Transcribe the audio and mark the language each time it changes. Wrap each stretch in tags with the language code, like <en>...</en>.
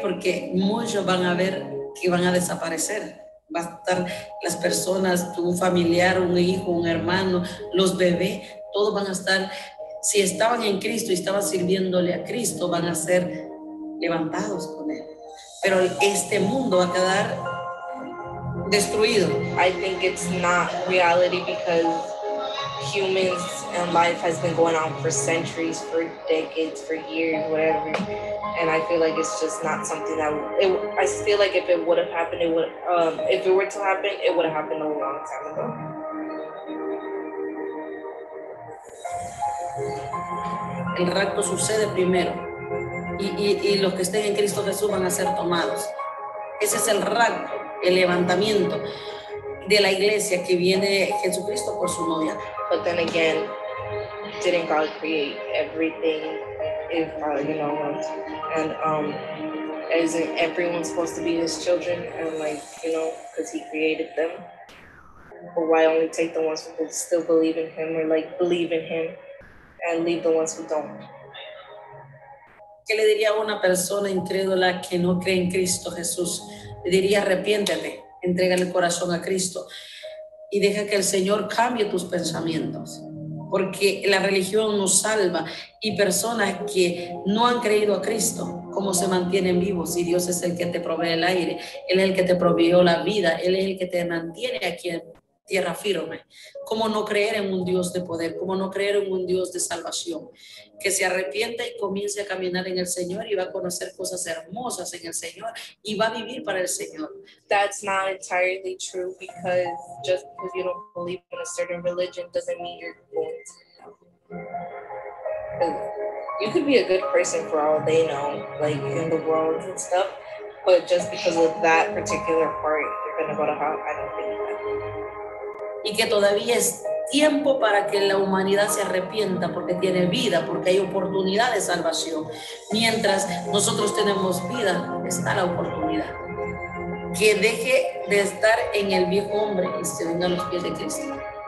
<es>Porque muchos van a ver que van a desaparecer. Va a estar las personas, tu familiar, un hijo, un hermano, los bebés, todos van a estar, si estaban en Cristo y estaban sirviéndole a Cristo, van a ser levantados con Él. Pero este mundo va a quedar destruido.</es> <en>I think it's not reality because humans and life has been going on for centuries, for decades, for years, whatever. And I feel like it's just not something that I feel like if it would have happened, it would have happened a long time ago.</en> <es>El rapto sucede primero, y los que estén en Cristo Jesús van a ser tomados. Ese es el rapto, el levantamiento de la iglesia que viene Jesucristo por su novia.</es> <en>But then again, didn't God create everything? If God, you know, and isn't everyone supposed to be His children? And like, you know, because He created them. But why only take the ones who still believe in Him, or like believe in Him? And leave the ones who don't.</en> <es>¿Qué le diría a una persona incrédula que no cree en Cristo Jesús? Le diría, arrepiéntete, entrega el corazón a Cristo y deja que el Señor cambie tus pensamientos, porque la religión nos salva. Y personas que no han creído a Cristo, ¿cómo se mantienen vivos? Si Dios es el que te provee el aire, Él es el que te proveyó la vida, Él es el que te mantiene aquí en tierra firme. ¿Cómo no creer en un Dios de poder? ¿Cómo no creer en un Dios de salvación? Que se arrepienta y comience a caminar en el Señor, y va a conocer cosas hermosas en el Señor, y va a vivir para el Señor.</es> <en>That's not entirely true, because just because you don't believe in a certain religion doesn't mean you're going to hell. You could be a good person for all they know, like in the world and stuff, but just because of that particular part, you're going to go to hell. I don't think that.</en> <es>Y que todavía es tiempo para que la humanidad se arrepienta, porque tiene vida, porque hay oportunidad de salvación. Mientras nosotros tenemos vida, está la oportunidad. Que deje de estar en el viejo hombre y se venga a los pies de Cristo.</es>